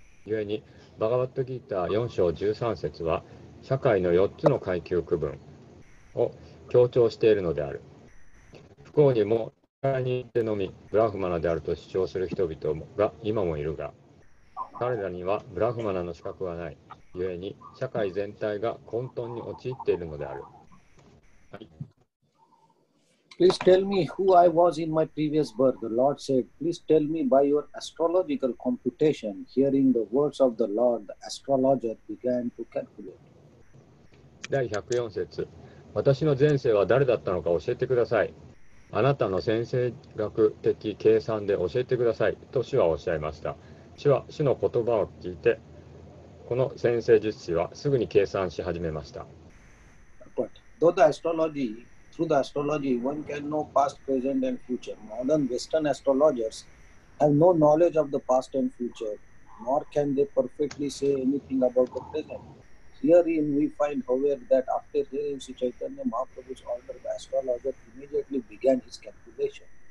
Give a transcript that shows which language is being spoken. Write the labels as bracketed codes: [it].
[ja] 故に、バガヴァッド・ギーター4章13節は、社会の4つの階級区分を強調しているのである。不幸にも彼にいてのみブラフマナであると主張する人々が今もいるが、彼らにはブラフマナの資格はない。故に社会全体が混沌に陥っているのである。はい。 [en] Please tell me who I was in my previous birth. The Lord said, Please tell me by your astrological computation. Hearing the words of the Lord, the astrologer began to calculate. [ja] 第104節。私の前世は誰だったのか教えてください。あなたの占星学的計算で教えてください、と主はおっしゃいました。主は主の言葉を聞いて、この占星術師はすぐに計算し始めました。 [en] Though the astrology, through the astrology, one can know past, present and future. Modern Western astrologers have no knowledge of the past and future, nor can they perfectly say anything about the present. Herein we find, however, that after hearing Sri Chaitanya Mahaprabhu's order, the astrologer immediately began his calculation.